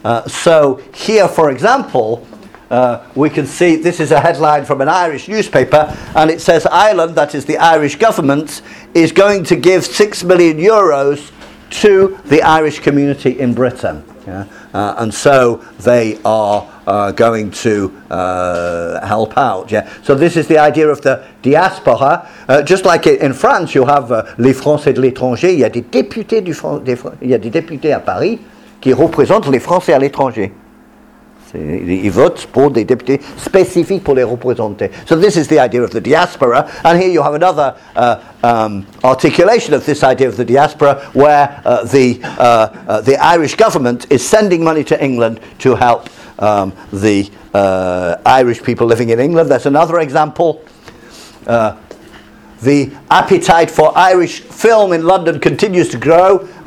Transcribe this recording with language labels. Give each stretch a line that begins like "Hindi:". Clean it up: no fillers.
English: So here, for example, we can see this is a headline from an Irish newspaper, and it says Ireland, that is the Irish government, is going to give €6 million to the Irish community in Britain. Yeah. And so they are going to help out. Yeah. So this is the idea of the diaspora. Just like in France, you have
French: les Français de l'étranger. Il y a des députés à Paris qui représentent les Français à l'étranger. Ils votent pour des députés spécifiques pour les représenter.
English: So this is the idea of the diaspora. And here you have another articulation of this idea of the diaspora, where the Irish government is sending money to England to help the Irish people living in England. There's another example. The appetite for Irish film in London continues to grow.